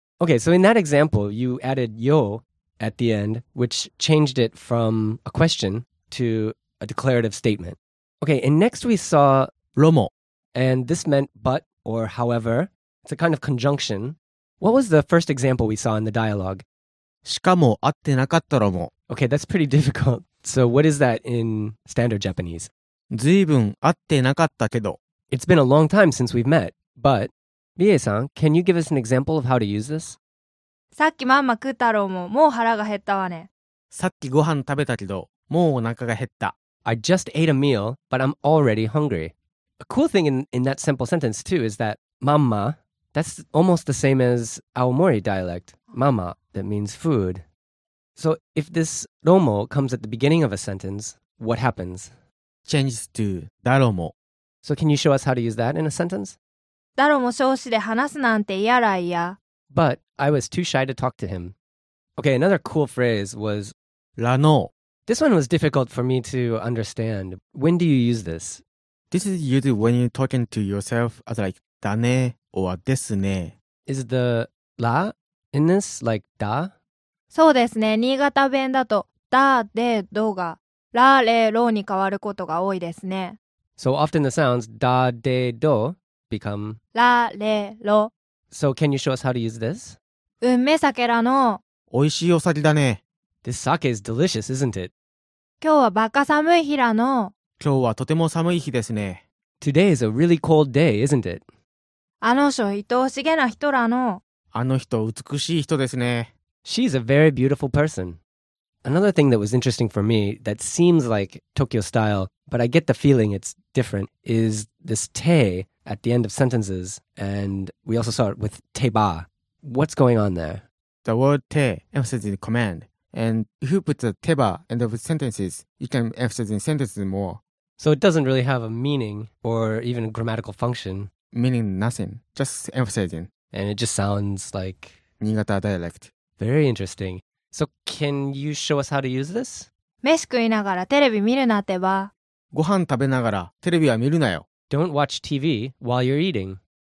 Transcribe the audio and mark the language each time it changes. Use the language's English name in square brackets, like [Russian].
[English] Okay, so in that example, you added yo at the end, which changed it from a question to a declarative statement. Okay, and next we saw [Japanese] romo. [English] And this meant but or however. It's a kind of conjunction. What was the first example we saw in the dialogue? [Japanese] しかも会ってなかったろも。 [English] Okay, that's pretty difficult. So what is that in standard Japanese? [Japanese] ずいぶん会ってなかったけど。 [English] It's been a long time since we've met, but... Rie-san, can you give us an example of how to use this? [Japanese] さっきまんま食ったろも、もう腹が減ったわね。さっきご飯食べたけど、もうお腹が減った。 [English] I just ate a meal, but I'm already hungry. A cool thing in that simple sentence too is that mamma, that's almost the same as Aomori dialect. Mamma, that means food. So if this romo comes at the beginning of a sentence, what happens? Changes to daromo. So can you show us how to use that in a sentence? [Japanese] Daromo shoushi de hanasu nante iya ra iya. [English] But I was too shy to talk to him. Okay, another cool phrase was [Japanese] la no. [English] This one was difficult for me to understand. When do you use this? This is used when you're talking to yourself as like da ne or desu ne. Is the la in this like da? [Japanese] そうですね。新潟弁だとだでどがられろに変わることが多いですね。 [English] So often the sounds だでど become [Japanese] られろ。 [English] So can you show us how to use this? [Japanese] うめ酒らの。おいしいお酒だね。 [English] This sake is delicious, isn't it? [Japanese] 今日はバカ寒い日らの。今日はとても寒い日ですね。 [English] Today is a really cold day, isn't it? [Japanese] あの人、愛おしげな人らの。あの人、美しい人ですね。 [English] She's a very beautiful person. Another thing that was interesting for me that seems like Tokyo style, but I get the feeling it's different, is this te at the end of sentences, and we also saw it with teba. What's going on there? The word te emphasizes the command. And if you put the teba end of sentences, you can emphasize in sentences more. So it doesn't really have a meaning or even a grammatical function. Meaning nothing, just emphasizing. And it just sounds like... Niigata dialect. Very interesting. So can you show us how to use this? [Japanese] 飯食いながらテレビ見るなってば。ご飯食べながらテレビは見るなよ。 [English] Don't watch TV while you're eating.